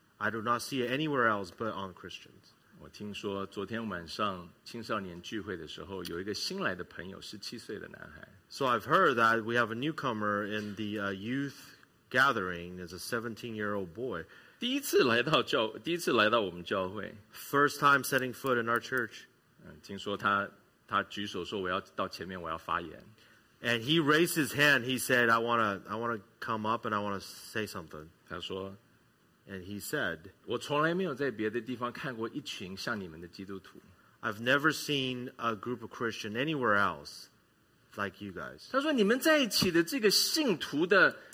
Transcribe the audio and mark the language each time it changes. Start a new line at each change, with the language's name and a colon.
English: I do not see it anywhere else but on Christians.
Chinese: 我听说昨天晚上青少年聚会的时候, 有一个新来的朋友, 17岁的男孩。
English: So I've heard that we have a newcomer in the youth gathering is a 17-year-old boy.
Chinese: 第一次来到我们教会,
English: first time setting foot in our church.
Chinese: 听说他举手说我要到前面我要发言。
English: And he raised his hand. He said, I want to come up and I want to say something.
Chinese: 他说,
English: and he said,
Chinese: 我从来没有在别的地方看过一群像你们的基督徒。
English: I've never seen a group of Christian anywhere else like you guys.
Chinese: 他说你们在一起的这个信徒的